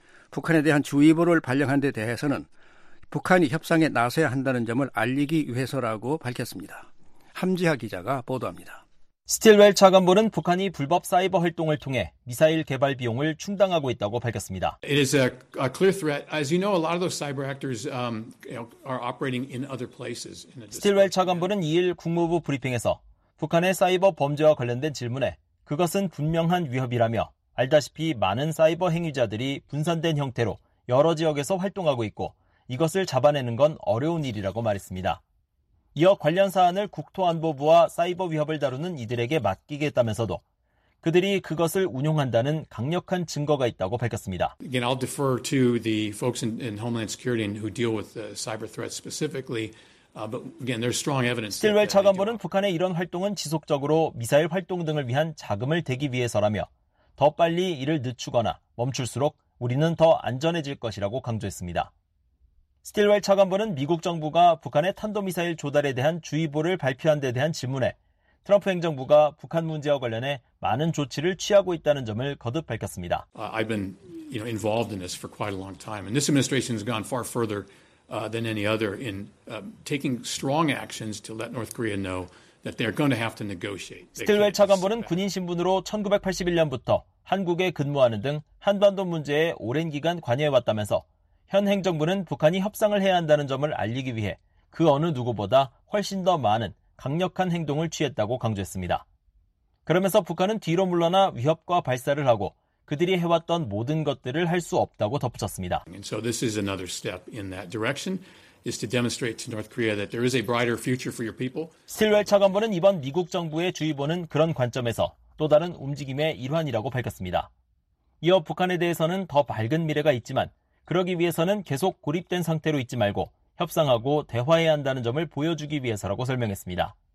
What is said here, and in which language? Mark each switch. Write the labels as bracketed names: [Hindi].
[Korean] 북한에 대한 주의보를 발령한 데 대해서는 북한이 협상에 나서야 한다는 점을 알리기 위해서라고 밝혔습니다. 함지하 기자가 보도합니다. 스틸웰 차관보는 북한이 불법 사이버 활동을 통해 미사일 개발 비용을 충당하고 있다고 밝혔습니다. [English] It is a clear threat. As you know, a lot of those cyber actors are operating in other places. [Korean] 스틸웰 차관보는 2일 국무부 브리핑에서 북한의 사이버 범죄와 관련된 질문에 그것은 분명한 위협이라며 알다시피 많은 사이버 행위자들이 분산된 형태로 여러 지역에서 활동하고 있고 이것을 잡아내는 건 어려운 일이라고 말했습니다. 이어 관련 사안을 국토안보부와 사이버 위협을 다루는 이들에게 맡기겠다면서도 그들이 그것을 운용한다는 강력한 증거가 있다고 밝혔습니다. [English] Again, I'll defer to the folks in Homeland Security who deal with the cyber threats specifically. But again, there's strong evidence. [Korean] 스틸웰 차관보는 북한의 이런 활동은 지속적으로 미사일 활동 등을 위한 자금을 대기 위해서라며 더 빨리 이를 늦추거나 멈출수록 우리는 더 안전해질 것이라고 강조했습니다. 스틸웰 차관보는 미국 정부가 북한의 탄도미사일 조달에 대한 주의보를 발표한 데 대한 질문에 트럼프 행정부가 북한 문제와 관련해 많은 조치를 취하고 있다는 점을 거듭 밝혔습니다. [English] I've been, you know, involved in this for quite a long time. And this administration has gone far further than any other in taking strong actions to let North Korea know that they're going to have to negotiate. [Korean] 스틸웰 차관보는 군인 신분으로 1981년부터 한국에 근무하는 등 한반도 문제에 오랜 기간 관여해왔다면서 현 행정부는 북한이 협상을 해야 한다는 점을 알리기 위해 그 어느 누구보다 훨씬 더 많은 강력한 행동을 취했다고 강조했습니다. 그러면서 북한은 뒤로 물러나 위협과 발사를 하고 그들이 해왔던 모든 것들을 할 수 없다고 덧붙였습니다. [English] So this is another step in that direction, is to demonstrate to North Korea that there is a brighter future for your people. [Korean] 스틸웰 차관보는 이번 미국 정부의 주의보는 그런 관점에서 또 다른 움직임의 일환이라고 밝혔습니다. 이어 북한에 대해서는 더 밝은 미래가 있지만 그러기 위해서는 계속 고립된 상태로 있지 말고 협상하고 대화해야 한다는 점을 보여주기 위해서라고 설명했습니다.